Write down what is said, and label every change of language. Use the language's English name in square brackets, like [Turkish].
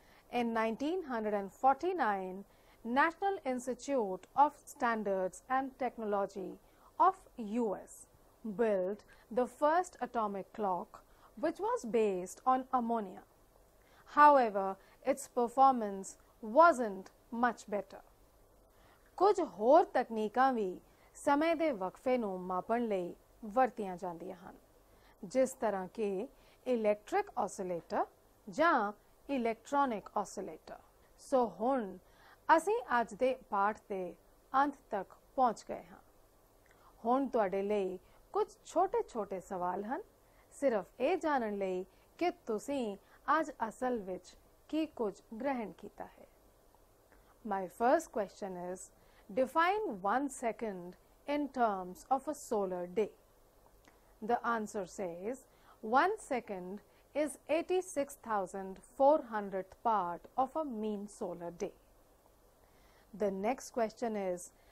[English] In 1949, National Institute of Standards and Technology of US built the first atomic clock, which was based on ammonia. However, its performance wasn't much better. [Punjabi] Kuch hor technique bhi samay de vakfe nu mapan layi ਵਰਤੀਆਂ ਜਾਂਦੀਆਂ ਹਨ, ਜਿਸ ਤਰ੍ਹਾਂ ਕਿ electric oscillator ਜਾਂ electronic oscillator. ਸੋ ਹੁਣ ਅਸੀਂ ਅੱਜ ਦੇ ਪਾਠ ਦੇ ਅੰਤ ਤੱਕ ਪਹੁੰਚ ਗਏ ਹਾਂ। ਹੁਣ ਤੁਹਾਡੇ ਲਈ ਕੁਝ ਛੋਟੇ ਛੋਟੇ ਸਵਾਲ ਹਨ, ਸਿਰਫ ਇਹ ਜਾਣਨ ਲਈ ਕਿ ਤੁਸੀਂ ਅੱਜ ਅਸਲ ਵਿੱਚ ਕੀ ਕੁਝ ਗ੍ਰਹਿਣ ਕੀਤਾ ਹੈ। [English] My first question is, define 1 second in terms of a solar day. The answer says 1 second is 86,400th part of a mean solar day. The next question is,